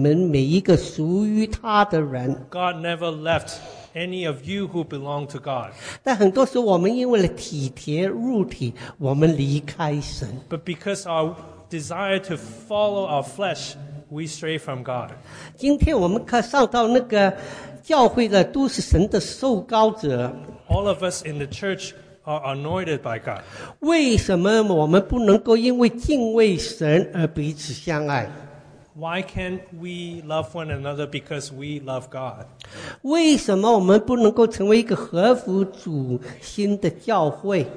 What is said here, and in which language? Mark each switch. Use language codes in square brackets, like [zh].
[zh] 神从来没有离开你们每一个属于他的人。 [en] God never left any of you who belong to God. [zh] 但很多时候我们因为了体贴肉体, 我们离开神。 [en] But because our desire to follow our flesh, we stray from God. [zh] 今天我们可上到那个教会的都是神的受膏者。 [en] All of us in the church are anointed by God. [zh] 为什么我们不能够因为敬畏神而彼此相爱? [en] Why can't we love one another because we love God? [zh] 为什么我们不能够成为一个合乎主心的教会?